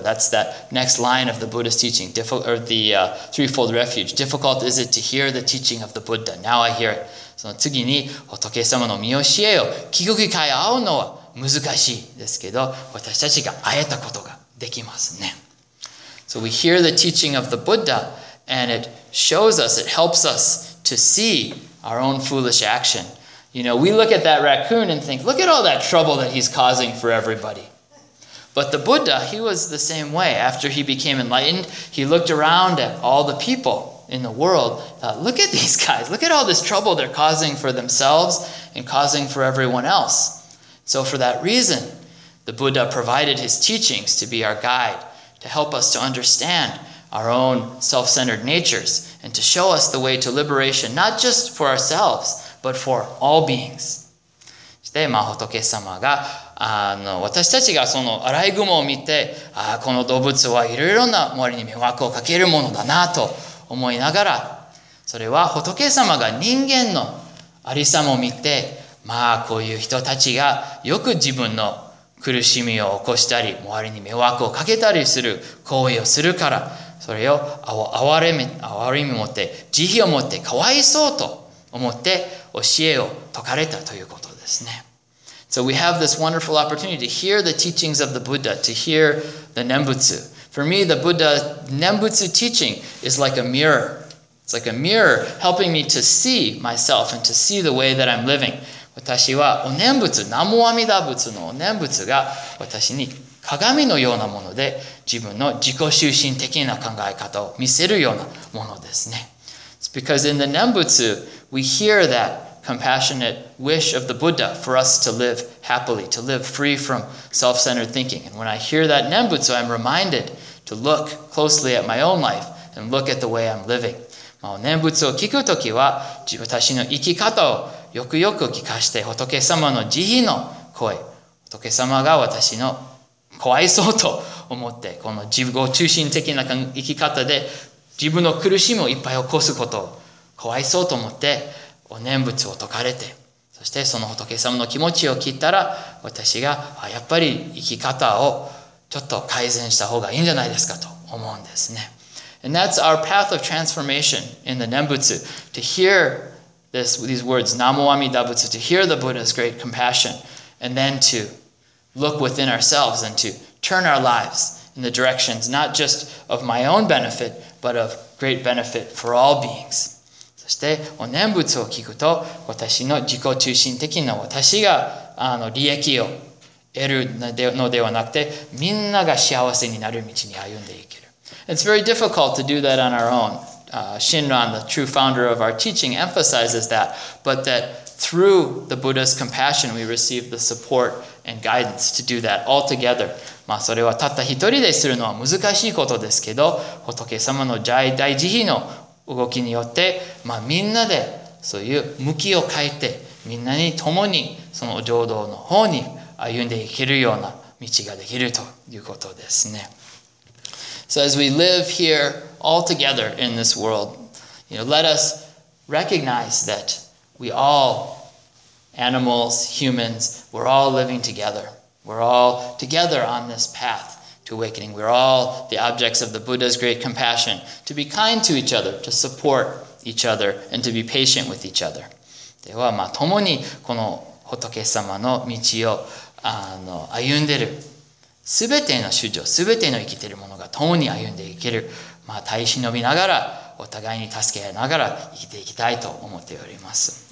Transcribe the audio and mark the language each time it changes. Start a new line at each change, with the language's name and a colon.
English: That's that next line of the Buddha's teaching, threefold refuge. Difficult is it to hear the teaching of the Buddha. Now I hear it.
Japanese: その次に仏様の御教えを聞く機会を会うのは難しいですけど、私たちが会えたことができますね。
English: So we hear the teaching of the Buddha, and it shows us, it helps us to see our own foolish action. You know, we look at that raccoon and think, look at all that trouble that he's causing for everybody. But the Buddha, he was the same way. After he became enlightened, he looked around at all the people in the world, thought, look at these guys, look at all this trouble they're causing for themselves and causing for everyone else. So for that reason, the Buddha provided his teachings to be our guide, to help us to understand our own self-centered natures and to show us the way to liberation, not just for ourselves, but for all beings.
Japanese: で、まあ、仏様が、私たちがそのアライグマを見て、この動物はいろいろな森に迷惑をかけるものだなと思いながら、それは仏様が人間のありさも見て、まあこういう人たちがよく自分の苦しみを起こしたり、周りに迷惑をかけたりする行為をするから、それを哀れみ持って、慈悲を持って、かわいそうと思って教えを説かれたということですね。
English: So we have this wonderful opportunity to hear the teachings of the Buddha, to hear the Nembutsu. For me, the Buddha Nembutsu teaching is like a mirror. It's like a mirror helping me to see myself and to see the way that I'm living.
Japanese: 私はお念仏、南無阿弥陀仏のお念仏が私に鏡のようなもので自分の自己中心的な考え方を見せるようなものですね。
English: It's because in the Nembutsu, we hear that compassionate wish of the Buddha for us to live happily, to live free from self-centered thinking. And when I hear that Nembutsu, I'm reminded to look closely at my own life and look at the way I'm living.
Japanese: まあ、お念仏を聞くときは私の生き方をよくよく聞かして仏様の慈悲の声、仏様が私のかわいそうと思ってこの自己中心的な生き方で自分の苦しみをいっぱい起こすことをかわいそうと思ってお念仏を説かれて、そしてその仏様の気持ちを聞いたら私がやっぱり生き方をちょっと改善した方がいいんじゃないですかと思うんですね。
English: And that's our path of transformation in the Nembutsu, to hearthese words, Namo Amida Butsu, to hear the Buddha's great compassion, and then to look within ourselves and to turn our lives in the directions not just of my own benefit, but of great benefit for all beings.
Japanese: そして、お念仏を聞くと、私の自己中心的な私が利益を得るのではなくて、みんなが幸せになる道に歩んでいける。
English: It's very difficult to do that on our own. Shinran, the true founder of our teaching, emphasizes that, but that through the Buddha's compassion, we receive the support and guidance to do that all together.
Japanese: まあ、それはたった一人でするのは難しいことですけど、仏様の大慈悲の動きによって、まあ、みんなでそういう向きを変えて、みんなに共にその浄土の方に歩んでいけるような道ができるということですね。
English: So as we live here all together in this world, you know, let us recognize that we all, animals, humans, we're all living together. We're all together on this path to awakening. We're all the objects of the Buddha's great compassion to be kind to each other, to support each other, and to be patient with each other.
Japanese: ではまあ共にこの仏様の道を歩んでる。すべての衆生、すべての生きているものが共に歩んでいける。まあ、耐え忍びながら、お互いに助け合いながら生きていきたいと思っております。